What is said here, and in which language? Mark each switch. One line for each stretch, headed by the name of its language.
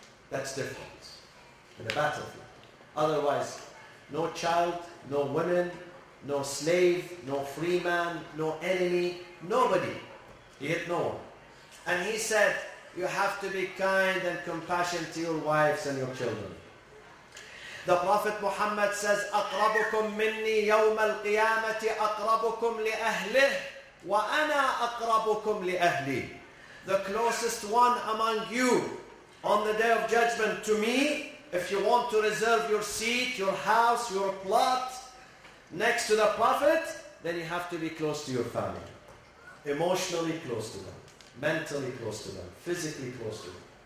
English: That's different. In the battlefield. Otherwise, no child, no woman, no slave, no free man, no enemy, nobody. He hit no one. And he said, you have to be kind and compassionate to your wives and your children.
Arabic: The Prophet Muhammad says, أَقْرَبُكُمْ مِنِّي يَوْمَ الْقِيَامَةِ أَقْرَبُكُمْ لِأَهْلِهِ وَأَنَا أَقْرَبُكُمْ لِأَهْلِي.
English: The closest one among you on the Day of Judgment to me, if you want to reserve your seat, your house, your plot next to the Prophet, then you have to be close to your family. Emotionally close to them. Mentally close to them. Physically close to them.